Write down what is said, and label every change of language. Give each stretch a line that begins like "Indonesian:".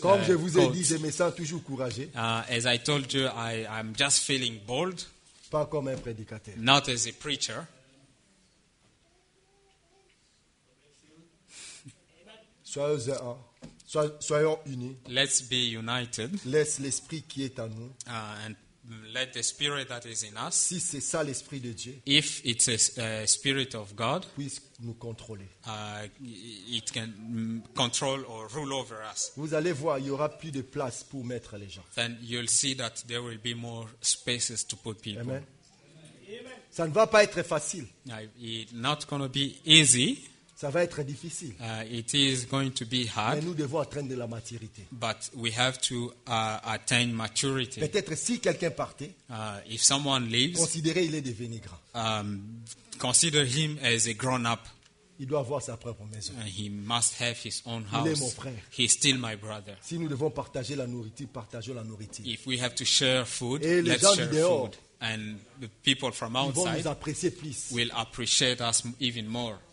French: Comme je vous ai dit, je me sens toujours courageux.
English: As I told you, I'm just feeling bold.
French: Pas comme un prédicateur.
English: Not as a preacher.
French: Soyons unis.
English: Let's be united.
French: Laisse l'esprit qui est en nous.
English: And let the spirit that is in us.
French: Si c'est ça l'esprit de Dieu.
English: If it's a spirit of God.
French: Puisse nous contrôler.
English: It can control or rule over us.
French: Vous allez voir, il y aura plus de place pour mettre les gens.
English: Then you'll see that there will be more spaces to put people.
French: Amen. Ça ne va pas être facile.
English: It's not going to be easy.
French: Ça va être difficile.
English: It is going to be hard.
French: Mais nous devons atteindre la maturité.
English: But we have to attain maturity.
French: Peut-être si quelqu'un partait.
English: If someone leaves.
French: Considérez il est devenu grand.
English: Consider him as a grown up.
French: Il doit avoir sa propre maison.
English: He must have his own house.
French: Il est mon frère.
English: He is still my brother.
French: Si nous devons partager la nourriture, partageons la nourriture.
English: If we have to share food,
French: et
English: let's
French: gens
English: share
French: dehors,
English: food. And the people from outside will appreciate us even more.